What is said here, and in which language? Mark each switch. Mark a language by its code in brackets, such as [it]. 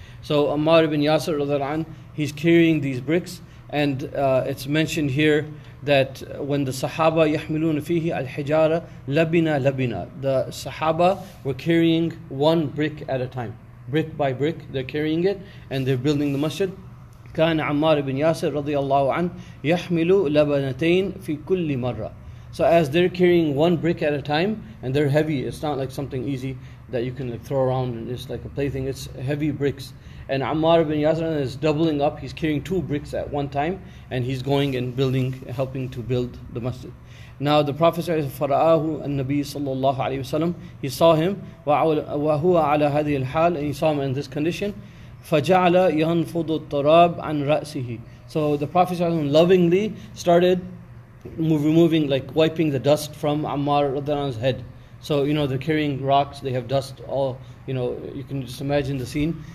[en] So Ammar ibn Yasir radhiallahu anhu, he's carrying these bricks, and it's mentioned here that when the Sahaba [ar] yahmiluna fihi al-hijara labina labina, [en] the Sahaba were carrying one brick at a time. brick by brick. They're carrying it and they're building the masjid. [ar] كان عمار بن ياسر رضي الله عنه يحمل لبنتين في كل مرة. [en] So as they're carrying one brick at a time, and they're heavy, it's not like something easy that you can like throw around and it's like a plaything, it's heavy bricks. And Ammar ibn Yasir is doubling up, he's carrying two bricks at one time, and he's going and building, helping to build the masjid. Now the Prophet says, [ar] فَرَآهُ النَّبِيِّ صَلَّى اللَّهُ عَلَيْهِ وَسَلَّمُ. [en] He saw him, [ar] وَهُوَ عَلَى هَذِهِ الْحَالِ, [en] and he saw him in this condition. [ar] فَجَعَلَ يَنْفُضُ الطَّرَابُ عَنْ رَأْسِهِ. [en] So the Prophet lovingly started removing, like wiping the dust from Ammar radhiyallahu anhu's head. So, you know, they're carrying rocks, they have dust all, you know, you can just imagine the scene.